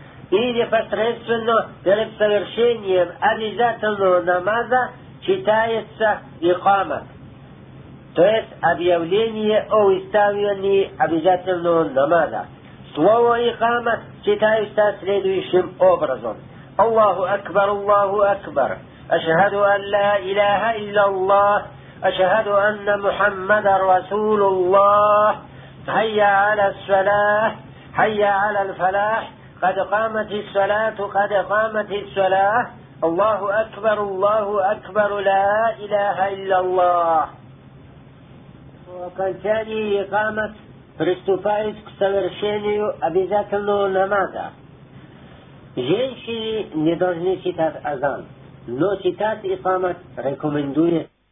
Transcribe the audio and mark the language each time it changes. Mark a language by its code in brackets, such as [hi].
[ru] И непосредственно перед совершением обязательного намаза читается икамат, то есть объявление о выставлении обязательного намаза. Слово икамат читается следующим образом. [ar] الله أكبر الله أكبر أشهد أن لا إله إلا الله أشهد أن محمد رسول الله حي على الصلاة حي على الفلاح قد قامت الصلاة قد قامت الصلاة الله أكبر الله أكبر لا إله إلا الله. وكانتاني إقامة [ru] приступает к совершению обязательного намаза. Женщины не должны читать азан, но читать икамат рекомендуют.